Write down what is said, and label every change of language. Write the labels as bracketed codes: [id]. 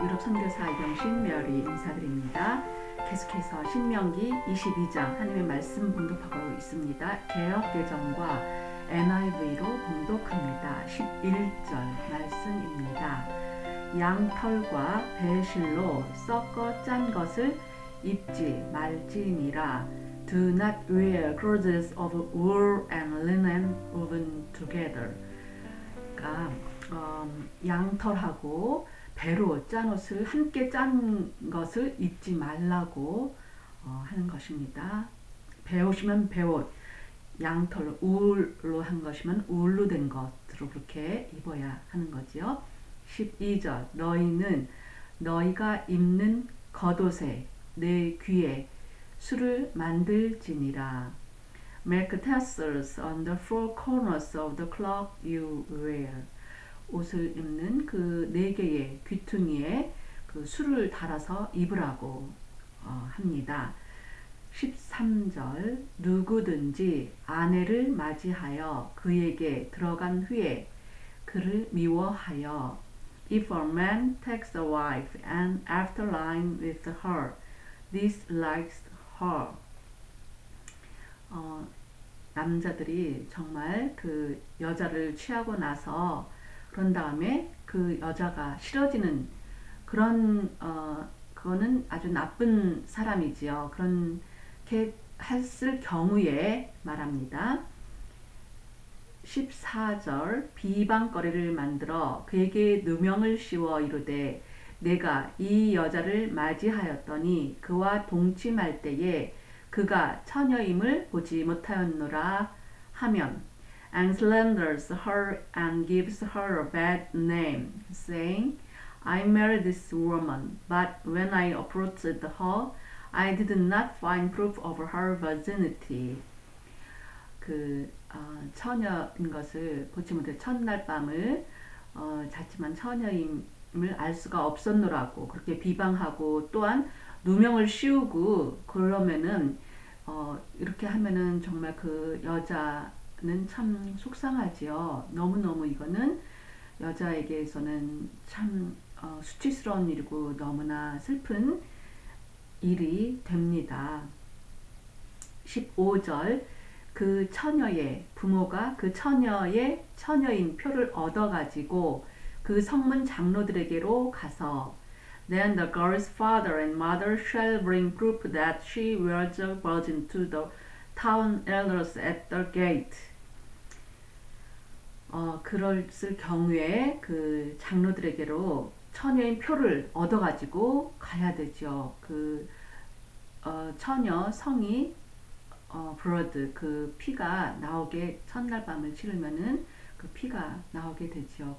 [ko] 유럽 선교사 이경신 메어리 인사드립니다. 계속해서 신명기 22장 하나님의 말씀 봉독하고 있습니다. 개역개정과 NIV로 봉독합니다. 11절 말씀입니다. 양털과 배실로 섞어 짠 것을 입지 말지니라. [en] Do not wear clothes of wool and linen woven together. [ko] 그러니까 양털하고 배로 짠 옷을 함께 짠 것을 입지 말라고 하는 것입니다. 배옷이면 배옷, 양털, 울로 한 것이면 울로 된 것으로 그렇게 입어야 하는 거지요. 12절 너희는 너희가 입는 겉옷에 내 귀에 술을 만들지니라. [en] Make tassels on the four corners of the cloak you wear. [ko] 옷을 입는 그 네 개의 귀퉁이에 그 술을 달아서 입으라고 합니다. 13절 누구든지 아내를 맞이하여 그에게 들어간 후에 그를 미워하여 [en] If a man takes a wife and after lying with her, dislikes her. [ko] 남자들이 정말 그 여자를 취하고 나서 그런 다음에 그 여자가 싫어지는 그런 그거는 아주 나쁜 사람이지요. 그렇게 했을 경우에 말합니다. 14절 비방거리를 만들어 그에게 누명을 씌워 이르되 내가 이 여자를 맞이하였더니 그와 동침할 때에 그가 처녀임을 보지 못하였노라 하면 [en] And slanders her and gives her a bad name, saying, I married this woman, but when I approached her, I did not find proof of her virginity. [ko] 그 처녀인 것을 보지 못해 첫날 밤을 잤지만 처녀임을 알 수가 없었노라고 그렇게 비방하고 또한 누명을 씌우고 그러면은 이렇게 하면은 정말 그 여자 는 참 속상하지요. 너무너무 이거는 여자에게서는 참 수치스러운 일이고 너무나 슬픈 일이 됩니다. 15절 그 처녀의 부모가 그 처녀의 처녀인 표를 얻어가지고 그 성문 장로들에게로 가서 [en] Then the girl's father and mother shall bring proof that she was a virgin to the town elders at the gate. [ko] 그럴 경우에 그 장로들에게로 처녀인 표를 얻어가지고 가야 되죠. 그 처녀 성이 브러드 그 피가 나오게 첫날 밤을 치르면은 그 피가 나오게 되죠.